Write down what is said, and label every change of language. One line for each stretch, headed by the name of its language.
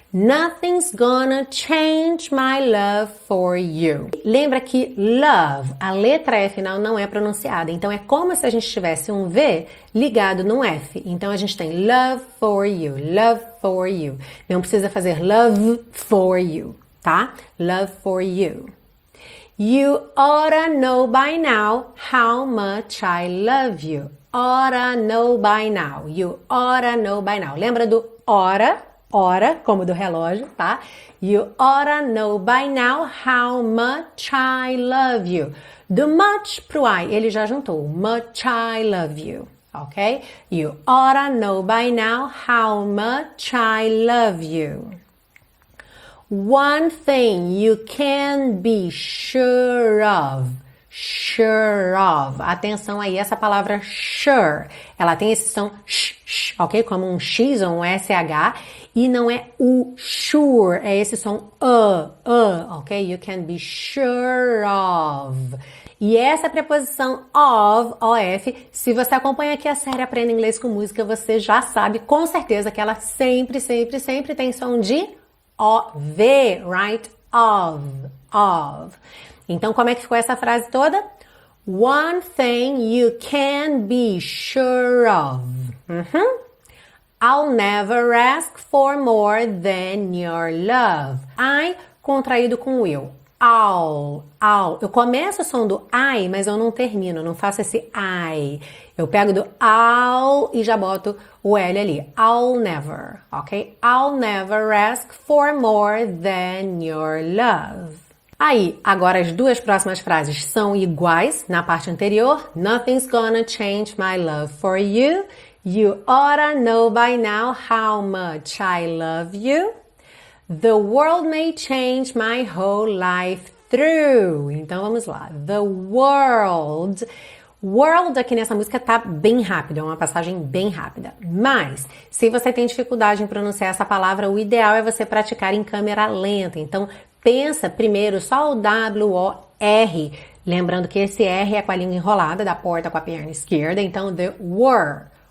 English: Nothing's gonna change my love for you.
Portuguese: Lembra que love, a letra F final não é pronunciada. Então é como se a gente tivesse um V ligado num F. Então a gente tem
English: love for you.
Portuguese: Não precisa fazer
English: love for you,
Portuguese: tá?
English: Love for you. You oughta know by now how much I love you. Oughta know by now. You oughta know by now.
Portuguese: Lembra do oughta? Ora, como do relógio, tá?
English: You oughta know by now how much I love you.
Portuguese: Do much pro I, ele já juntou.
English: Much I love you, ok? You oughta know by now how much I love you. One thing you can be sure of. Sure of.
Portuguese: Atenção aí, essa palavra sure, ela tem esse som sh, ok? Como um X ou um SH. E não é o sure, é esse som ok?
English: You can be sure of.
Portuguese: E essa preposição of, O-F, se você acompanha aqui a série Aprenda Inglês com Música, você já sabe com certeza que ela sempre tem som de O-V,
English: right?
Portuguese: Of. Então, como é que ficou essa frase toda?
English: One thing you can be sure of. Uhum. I'll never ask for more than your love. I
Portuguese: contraído com
English: will. I'll.
Portuguese: Eu começo o som do I, mas eu não termino, não faço esse I. Eu pego do I'll e já boto o L ali.
English: I'll never, ok? I'll never ask for more than your love.
Portuguese: Aí, agora as duas próximas frases são iguais na parte anterior.
English: Nothing's gonna change my love for you. You oughta know by now how much I love you. The world may change my whole life through.
Portuguese: Então vamos lá.
English: The world.
Portuguese: World aqui nessa música tá bem rápido, é uma passagem bem rápida. Mas, se você tem dificuldade em pronunciar essa palavra, o ideal é você praticar em câmera lenta. Então, pensa primeiro só o W-O-R, lembrando que esse R é com a língua enrolada da porta com a perna esquerda, então
English: the were.